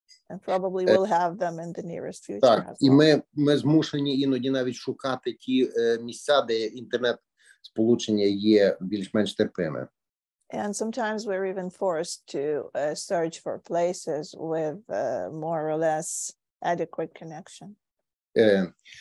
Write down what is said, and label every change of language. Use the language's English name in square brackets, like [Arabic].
[English] And probably will have them in the nearest future. [Ukrainian] Так, [English] as well. [Ukrainian] І ми змушені іноді навіть шукати ті місця, де інтернет сполучення є більш-менш терпиме. [English] And sometimes we're even forced to search for places with more or less adequate connection.